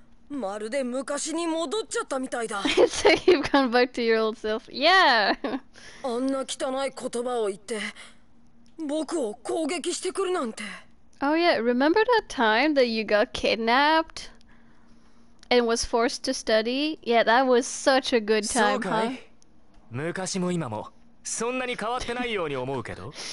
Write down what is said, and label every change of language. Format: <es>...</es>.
<ja>まるで昔に戻っちゃったみたいだ。</ja> <en>So you've gone back to your old self. Yeah!</en> <ja>あんな汚い言葉を言って僕を攻撃してくるなんて。</ja> <en>Oh yeah, remember that time that you got kidnapped? And was forced to study? Yeah, that was such a good time, huh?</en> <ja>そうかい? 昔も今もそんなに変わってないように思うけど。</ja>